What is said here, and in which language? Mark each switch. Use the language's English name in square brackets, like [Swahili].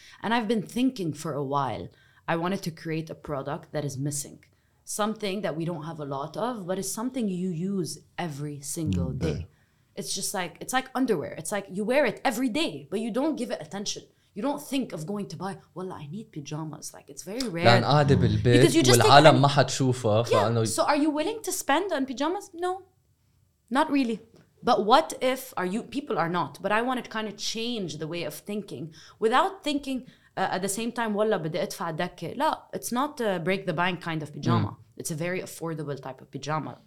[English] And I've been thinking for a while, I wanted to create a product that is missing. Something that we don't have a lot of, but it's something you use every single day. It's just like, it's like underwear. It's like you wear it every day, but you don't give it attention. You don't think of going to buy, well, I need pajamas. Like, it's very rare. [Arabic] لأن قاعدة بالبيت والعالم ما حتشوفها. [English] So are you willing to spend on pajamas? No, not really. But what if, are you, people are not. But I wanted to kind of change the way of thinking without thinking at the same time, [Arabic] والله بدي أدفع دكة. لا, [English] it's not a break the bank kind of pajama. It's a very affordable type of pajama.